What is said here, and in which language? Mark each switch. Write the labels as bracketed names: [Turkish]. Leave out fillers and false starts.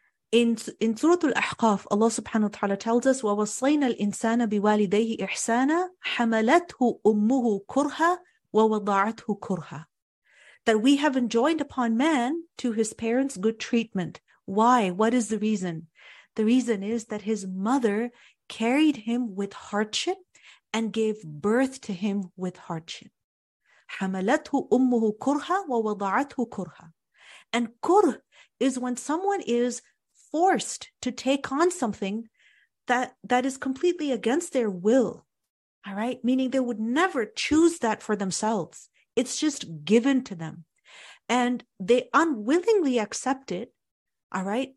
[English] In Surah Al-Ahqaf, Allah subhanahu wa ta'ala tells us, [Arabic] وَوَصَّيْنَا الْإِنسَانَ بِوَالِدَيْهِ إِحْسَانًا حَمَلَتْهُ أُمُّهُ كُرْهًا وَوَضَعَتْهُ كُرْهًا, [English] that we have enjoined upon man to his parents good treatment. Why? What is the reason? The reason is that his mother carried him with hardship and gave birth to him with hardship. [Arabic] حَمَلَتْهُ أُمُّهُ كُرْهًا وَوَضَعَتْهُ كُرْهًا. [English] And كُرْه is when someone is forced to take on something that is completely against their will, all right? Meaning they would never choose that for themselves. It's just given to them. And they unwillingly accept it, all right?